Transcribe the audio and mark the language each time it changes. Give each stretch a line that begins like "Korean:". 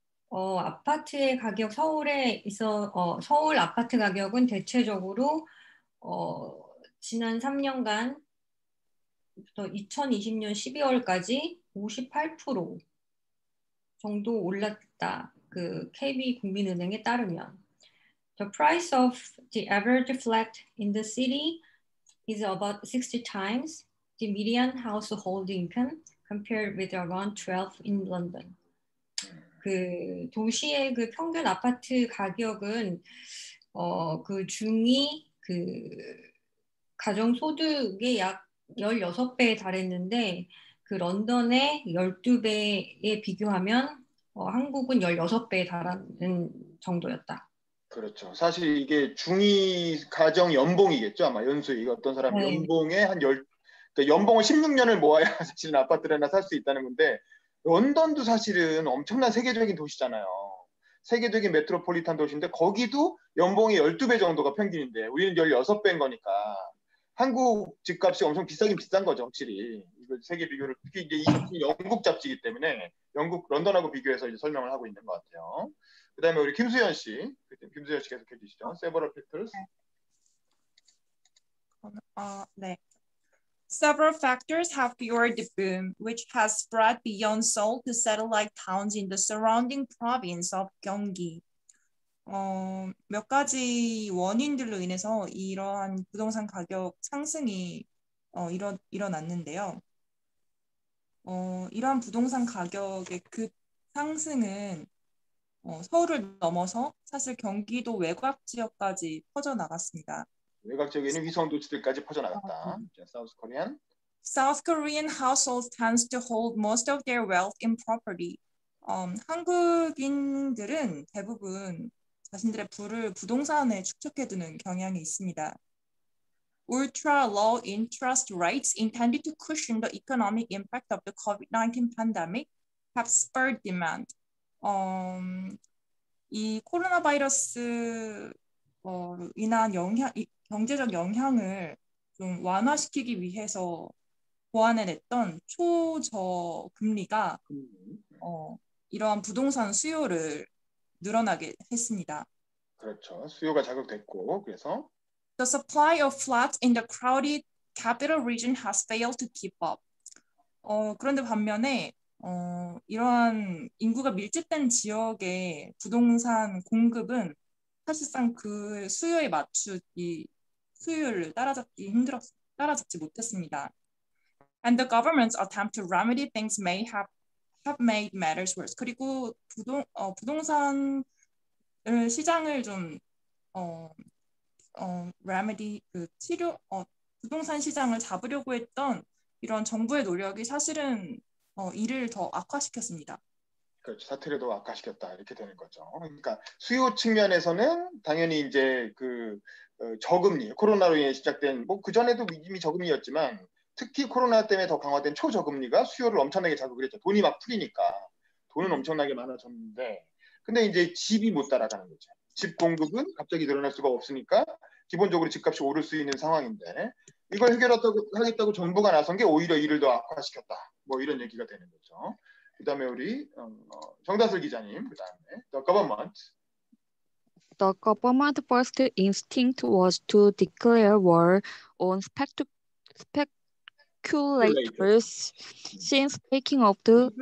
Korean: 아파트의 가격 서울에 있어 서울 아파트 가격은 대체적으로 지난 3년간 2020년 12월까지 58% 정도 올랐다. 그 KB 국민은행에 따르면
English: the price of the average flat in the city is about 60 times the median household income compared with around 12 in London.
Korean: 그 도시의 그 평균 아파트 가격은 그 중위 그 가정 소득의 약 16배에 달했는데 그 런던의 12배에 비교하면 한국은 16배에 달하는 정도였다. 그렇죠. 사실 이게 중위 가정 연봉이겠죠. 아마 연수익 어떤 사람 네. 연봉의 한 그러니까 연봉을 16년을 모아야 사실은 아파트를 하나 살 수 있다는 건데 런던도 사실은 엄청난 세계적인 도시잖아요. 세계적인 메트로폴리탄 도시인데 거기도 연봉이 12배 정도가 평균인데 우리는 16배인 거니까 한국 집값이 엄청 비싸긴 비싼 거죠, 확실히. 이거 세계 비교를 특히 이제 영국 잡지이기 때문에 영국 런던하고 비교해서 이제 설명을 하고 있는 것 같아요. 그다음에 우리 김수현 씨, 김수현 씨 계속해 주시죠.
English: Several factors.
Korean: 네.
English: Several factors have fueled the boom, which has spread beyond Seoul to satellite towns in the surrounding province of Gyeonggi.
Korean: 몇 가지 원인들로 인해서 이러한 부동산 가격 상승이 일어났는데요. 이러한 부동산 가격의 급 상승은 서울을 넘어서 사실 경기도 외곽 지역까지 퍼져 나갔습니다. 외곽 지역에는 위성 도시들까지 퍼져 나갔다.
English: 사우스 코리안. South Korean households tend to hold most of their wealth in property.
Korean: 한국인들은 대부분 자신들의 부를 부동산에 축적해두는 경향이 있습니다.
English: Ultra low interest rates intended to cushion the economic impact of the COVID-19 pandemic have spurred demand.
Korean: 이 코로나 바이러스로 인한 경제적 영향을 좀 완화시키기 위해서 보완해냈던 초저금리가 이러한 부동산 수요를 늘어나게 했습니다. 그렇죠. 수요가 자극됐고 그래서
English: The supply of flats in the crowded capital region has failed to keep up.
Korean: 그런데 반면에 이러한 인구가 밀집된 지역의 부동산 공급은 사실상 그 수요에 맞추기 수요를 따라잡기 따라잡지 못했습니다.
English: And the government's attempt to remedy things may have made matters worse.
Korean: 그리고 부동산 시장을 좀 remedy 그 치료 부동산 시장을 잡으려고 했던 이런 정부의 노력이 사실은 일을 더 악화시켰습니다. 그렇죠. 사태를 더 악화시켰다. 이렇게 되는 거죠. 그러니까 수요 측면에서는 당연히 이제 그 저금리, 코로나로 인해 시작된 뭐 그전에도 이미 저금리였지만 특히 코로나 때문에 더 강화된 초저금리가 수요를 엄청나게 자극을 했죠. 돈이 막 풀리니까 돈은 엄청나게 많아졌는데 근데 이제 집이 못 따라가는 거죠. 집 공급은 갑자기 늘어날 수가 없으니까 기본적으로 집값이 오를 수 있는 상황인데 이걸 해결하겠다고 정부가 나선 게 오히려 일을 더 악화시켰다. 뭐 이런 얘기가 되는 거죠. 그 다음에 우리 정다슬 기자님, 그 다음에
English: The government. The government's first instinct was to declare war on speculators since taking off the...